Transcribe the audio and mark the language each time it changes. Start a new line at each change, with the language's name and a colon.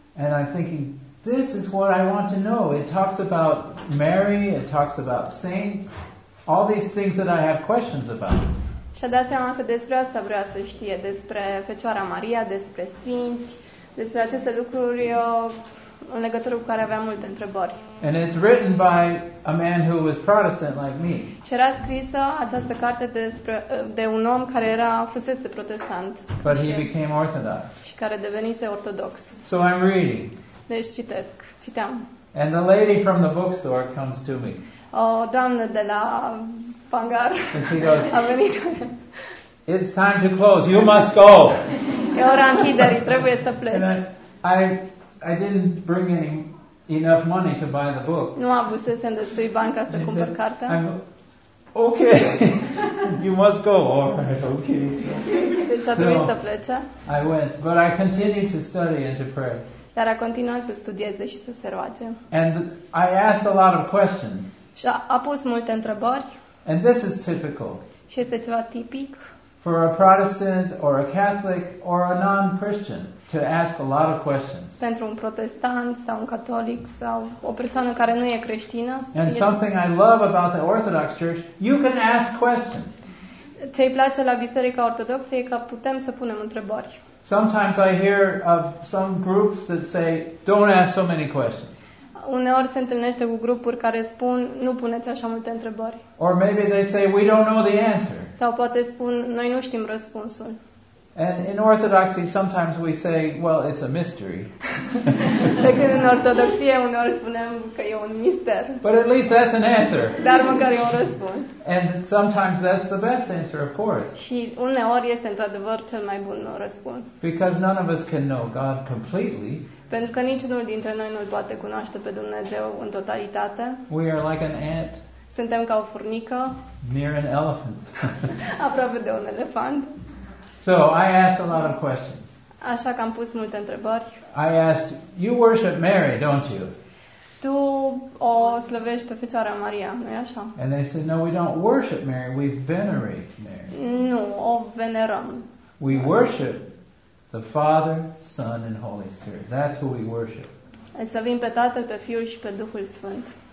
English: And I'm thinking, this is what I want to know. It talks about Mary, it talks about saints, all these things that I have questions about.
Romanian: Și-a dat seama că despre asta vrea să știe, despre Fecioara Maria, despre sfinți, despre aceste lucruri eu, în legătură cu care aveam multe întrebări.
English: And it's written by a man who was Protestant like me.
Romanian: Și era scrisă această carte despre de un om care era fusese protestant.
English: But he became Orthodox.
Romanian: Și care devenise ortodox.
English: So I'm reading.
Romanian: Deci citesc, citeam.
English: And the lady from the bookstore comes to me.
Romanian: O doamnă de la pangar.
English: And she goes,
Romanian: a venit.
English: It's time to close. You must go.
Romanian: E ora închiderii, trebuie să pleci.
English: I didn't bring any enough money to buy the book.
Romanian: Nu avusesem destui bani ca să cumpăr cartea.
English: Okay. You must go. All right, okay.
Romanian: Deci a trebuit să plece.
English: I went, but I continued to study and to pray.
Romanian: Dar a continuat să studieze și să se roage.
English: And I asked a lot of questions.
Romanian: Și a pus multe întrebări.
English: And this is typical.
Romanian: Și este ceva tipic.
English: For a Protestant or a Catholic or a non-Christian to ask a lot of questions.
Romanian: Pentru un protestant sau un catolic sau o persoană care nu e creștină.
English: And something I love about the Orthodox Church, you can ask questions.
Romanian: Ce-i place la Biserica Ortodoxă e că putem să punem întrebări.
English: Sometimes I hear of some groups that say, don't ask so many questions.
Romanian: Uneori se întâlnește cu grupuri care spun, nu puneți așa multe întrebări.
English: Or maybe they say, we don't know the answer.
Romanian: Sau poate spun, noi nu știm răspunsul.
English: And in Orthodoxy, sometimes we say, well, it's a mystery.
Romanian: De când în Ortodoxie, uneori spunem că e un mister.
English: But at least that's an answer.
Romanian: Dar măcar e un răspuns.
English: And sometimes that's the best answer, of course.
Romanian: Și uneori este într-adevăr cel mai bun răspuns.
English: Because none of us can know God completely.
Romanian: Pentru că niciunul dintre noi nu-L poate cunoaște pe Dumnezeu în totalitate.
English: We are like an ant.
Romanian: Suntem ca o furnică.
English: Near an elephant.
Romanian: Aproape de un elefant.
English: So I asked a lot of questions.
Romanian: Așa că am pus multe întrebări.
English: I asked, you worship Mary, don't you?
Romanian: Tu o slăvești pe Fecioara Maria, nu-i așa?
English: And they said, no, we don't worship Mary, we venerate Mary.
Romanian: Nu, o venerăm.
English: We worship the Father, Son, and Holy Spirit. That's who we worship.
Romanian: E să vin pe Tatăl, pe Fiul și pe Duhul Sfânt.